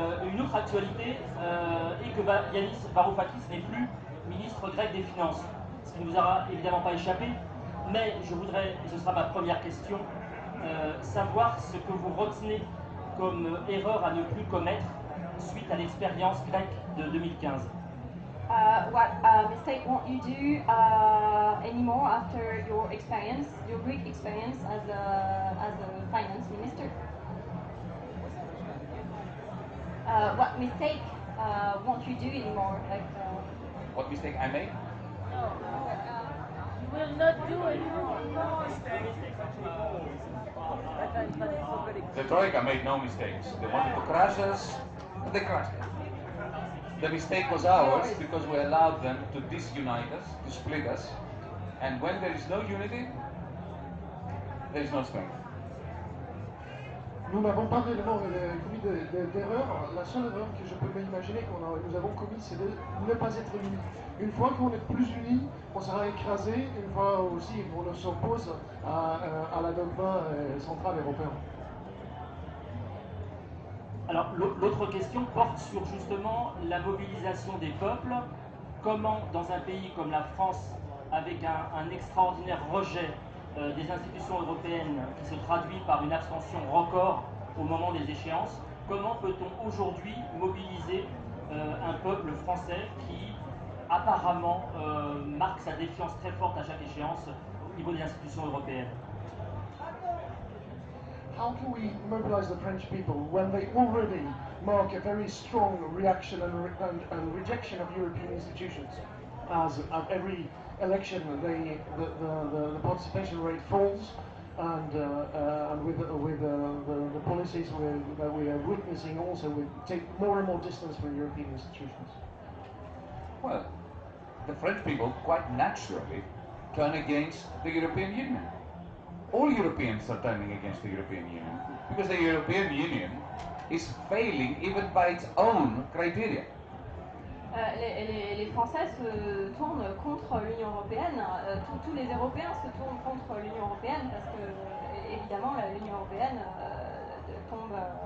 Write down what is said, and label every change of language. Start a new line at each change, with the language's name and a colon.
French: Une autre actualité est que Yanis Varoufakis n'est plus ministre grec des Finances, ce qui ne vous aura évidemment pas échappé, mais je voudrais, et ce sera ma première question, savoir ce que vous retenez comme erreur à ne plus commettre suite à l'expérience grecque de 2015.
English: What mistake won't you do anymore after your experience, your Greek experience as a finance minister? What mistake won't you do anymore? What mistake I made? No, you will not do anymore. The Troika made no mistakes. They wanted to crush us, and they crushed us. The mistake was ours because we allowed them to disunite us, to split us. And when there is no unity, there is no strength.
French: Nous n'avons pas réellement commis d'erreur. La seule erreur que je peux imaginer que nous avons commis, c'est de ne pas être unis. Une fois qu'on est plus unis, on sera écrasé. Une fois aussi, on s'oppose à la dogme centrale européenne. Alors, l'autre question porte sur justement la mobilisation des peuples. Comment, dans un pays comme la France, avec un extraordinaire rejet des institutions européennes qui se traduit par une abstention record au moment des échéances, comment peut-on aujourd'hui mobiliser un peuple français qui apparemment marque sa défiance très forte à chaque échéance au niveau des institutions européennes?
English: How can we mobilize the French people when they already mark a very strong reaction and rejection of European institutions? As at every election, the participation rate falls, and with the policies that we are witnessing, also we take more and more distance from European institutions. Well, the French people quite naturally turn against the European Union. All Europeans are turning against the European Union because the European Union is failing even by its own criteria.
French: Les Français se tournent contre l'Union européenne. Tous les Européens se tournent contre l'Union européenne parce que, évidemment, l'Union européenne tombe.